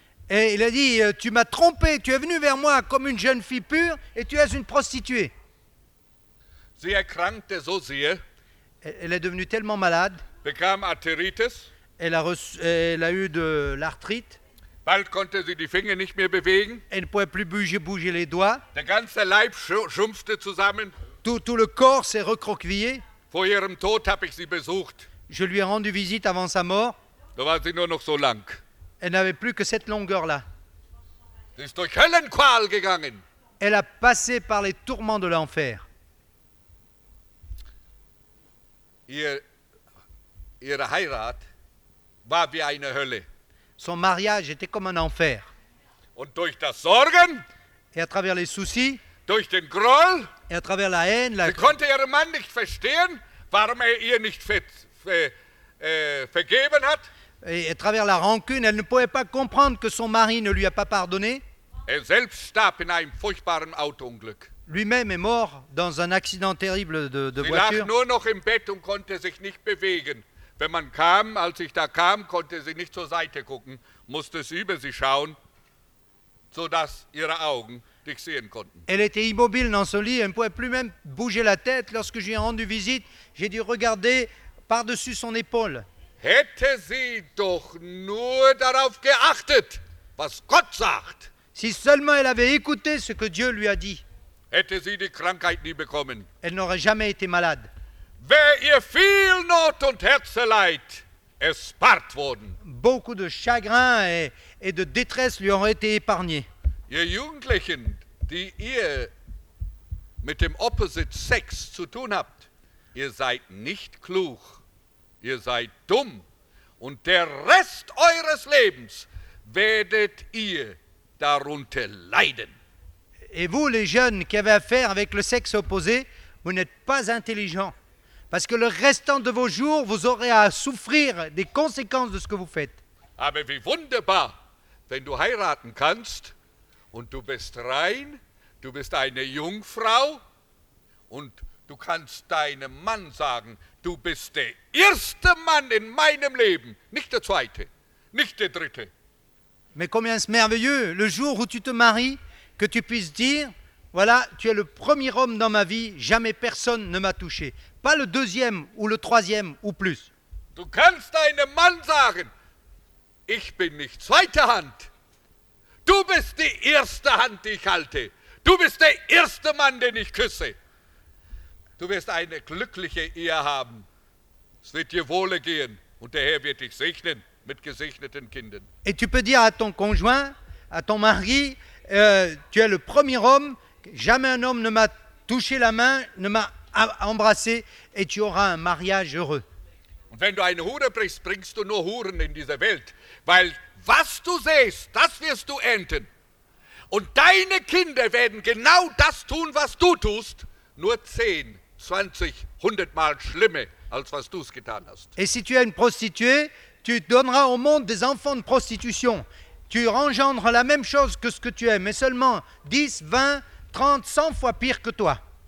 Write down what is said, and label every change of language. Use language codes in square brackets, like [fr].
[fr] Et il a dit, tu m'as trompé, tu es venu vers moi comme une jeune fille pure et tu es une prostituée. [de] Sie erkrankte so sehr. [fr] Elle est devenue tellement malade. [de] Bekam Arthritis. [fr] Elle a eu de l'arthrite. [de] Bald konnte sie die Finger nicht mehr bewegen. [fr] Elle ne pouvait plus bouger les doigts. [de] Der ganze Leib schrumpfte zusammen. [fr] Tout le corps s'est recroquevillé. [de] Vor ihrem Tod habe ich sie besucht. [fr] Je lui ai rendu visite avant sa mort. [de] Da war sie nur noch so lang. [fr] Elle n'avait plus que cette longueur-là. [de] Sie ist durch Höllenqual gegangen. [fr] Elle a passé par les tourments de l'enfer. [de] Ihre Heirat war wie eine Hölle. [fr] Son mariage était comme un enfer. [de] Und durch das Sorgen, [fr] et à travers les soucis, [de] durch den Groll, [fr] et à travers la haine, [de] sie konnte ihren Mann nicht verstehen, warum ihr nicht vergeben hat. [fr] Et à travers la rancune, elle ne pouvait pas comprendre que son mari ne lui a pas pardonné. [de] Er selbst starb in einem furchtbaren Autounglück. [fr] Lui-même est mort dans un accident terrible de voiture. [de] Sie lag nur noch im Bett und konnte sich nicht bewegen. Wenn man kam, als ich da kam, konnte sie nicht zur Seite gucken, musste sie über sie schauen, sodass ihre Augen dich sehen konnten. [fr] Elle était immobile dans son lit, elle ne pouvait plus même bouger la tête. Lorsque j'ai rendu visite, j'ai dû regarder par-dessus son épaule. [de] Hätte sie doch nur darauf geachtet, was Gott sagt. [fr] Si seulement elle avait écouté ce que Dieu lui a dit. [de] Hätte sie die Krankheit nie bekommen. [fr] Elle n'aurait jamais été malade. [de] Wäre ihr viel Not und Herzeleid erspart worden. [fr] Beaucoup de chagrin et de détresse lui auraient été épargnés. [de] Ihr Jugendlichen, die ihr mit dem [en] Opposite Sex [de] zu tun habt, ihr seid nicht klug. Ihr seid dumm und der Rest eures Lebens werdet ihr darunter leiden. [fr] Et vous, les jeunes qui avez affaire avec le sexe opposé, vous n'êtes pas intelligents. Parce que le restant de vos jours, vous aurez à souffrir des conséquences de ce que vous faites. [de] Aber wie wunderbar, wenn du heiraten kannst und du bist rein, du bist eine Jungfrau und du kannst deinem Mann sagen, du bist der erste Mann in meinem Leben, nicht der zweite, nicht der dritte. [fr] Mais combien c'est merveilleux, le jour où tu te maries, que tu puisses dire, voilà, tu es le premier homme dans ma vie, jamais personne ne m'a touché. Pas le deuxième ou le troisième ou plus. [de] Du kannst deinem Mann sagen, ich bin nicht zweite Hand. Du bist die erste Hand, die ich halte. Du bist der erste Mann, den ich küsse. Du wirst eine glückliche Ehe haben. Es wird dir wohl gehen und der Herr wird dich segnen mit gesegneten Kindern. [fr] Et tu peux dire à ton conjoint, à ton mari, tu es le premier homme, jamais un homme ne m'a touché la main, ne m'a embrassé et tu auras un mariage heureux. [de] Und wenn du eine Hure brichst, bringst du nur Huren in diese Welt, weil was du sähst, das wirst du ernten. Und deine Kinder werden genau das tun, was du tust, nur 10, 20, 100 mal schlimmer, als was du es getan hast. [fr] Et si tu es une prostituée, tu donneras au monde des enfants de prostitution. Tu engendres la même chose que ce que tu es, mais seulement 10, 20, 30, 100 fois pire que toi.